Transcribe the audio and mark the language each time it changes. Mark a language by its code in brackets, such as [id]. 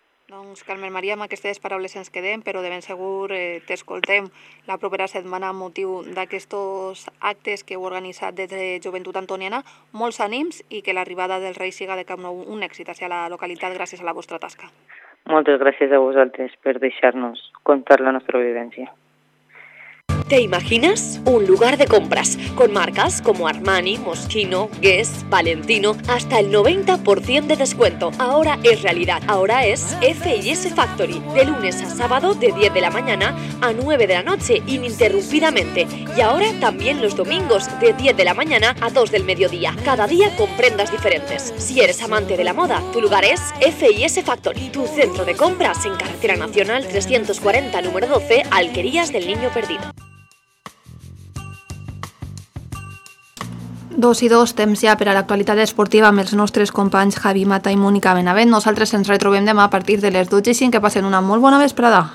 [ca] Doncs, Carmen Maria, amb aquestes paraules ens quedem, però de ben segur t'escoltem la propera setmana amb motiu d'aquests actes que heu organitzat des de Joventut Antoniana. Molts ànims i que l'arribada del rei siga de Camp Nou un èxit a la localitat gràcies a la vostra tasca. Moltes gràcies a vosaltres per deixar-nos contar la nostra vivència. [es] ¿Te imaginas un lugar de compras con marcas como Armani, Moschino, Guess, Valentino, hasta el 90% de descuento? Ahora es realidad. Ahora es F&S Factory, de lunes a sábado de 10 de la mañana a 9 de la noche ininterrumpidamente. Y ahora también los domingos de 10 de la mañana a 2 del mediodía, cada día con prendas diferentes. Si eres amante de la moda, tu lugar es F&S Factory. Tu centro de compras en Carretera Nacional 340, número 12, Alquerías del Niño Perdido. [ca] Dos i dos, temps ja per a l'actualitat esportiva amb els nostres companys Javi Mata i Mònica Benavent. Nosaltres ens retrobem demà a partir de les 12:05. Que passen una molt bona vesprada.